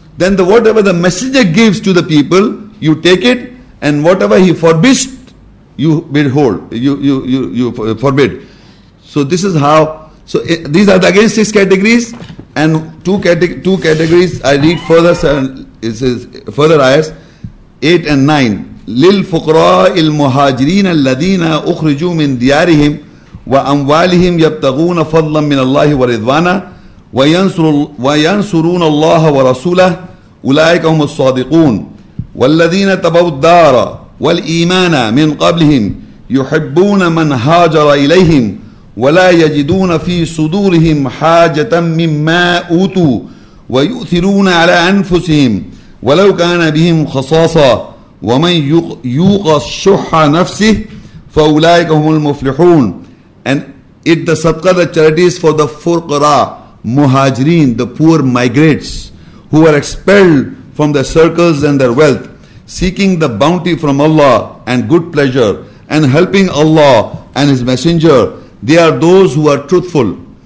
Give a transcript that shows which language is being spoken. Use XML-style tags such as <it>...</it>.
<en>Then the whatever the messenger gives to the people, you take it, and whatever he forbids, you withhold. You forbid. So this is how. So these are the, again, six categories, and two categories. I read further. It says further ayahs 8 and 9.</en> <ar>للفقراء المهاجرين الذين أخرجوا من ديارهم وأموالهم يبتغون فضلا من الله ورضوانا وينصرون الله ورسوله أولئك هم الصادقون والذين تبوا الدار والإيمان من قبلهم يحبون من هاجر إليهم ولا يجدون في صدورهم حاجة مما أوتوا ويؤثرون على أنفسهم ولو كان بهم خصاصة وَمَنْ يُوقَ الشُّحَّ نَفْسِهِ فَأُولَٰئِكَ هُمُ الْمُفْلِحُونَ.</ar> <en>And if the sadqa, the charity is for the furqara, muhajirin, the poor migrants who are expelled from their circles and their wealth, seeking the bounty from Allah and good pleasure and helping Allah and His Messenger, they are those who are truthful.</en>